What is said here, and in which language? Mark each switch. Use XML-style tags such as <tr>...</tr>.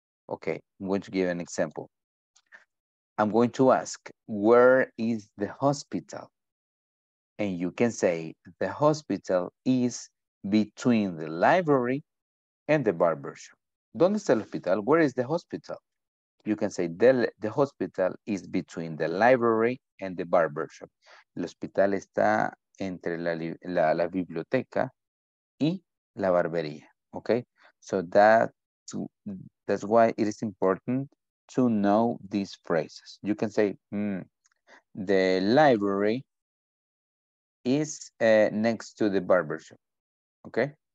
<en>Okay, I'm going to give an example. I'm going to ask, where is the hospital? And you can say, the hospital is between the library and the barbershop.</en> <es>¿Dónde está el hospital?</es> <en>Where is the hospital? You can say, the hospital is between the library and the barbershop.</en> <es>El hospital está entre la biblioteca y la barbería.</es> <en>Okay, so that's why it is important to know these phrases. You can say, the library is next to the barbershop, okay?</en>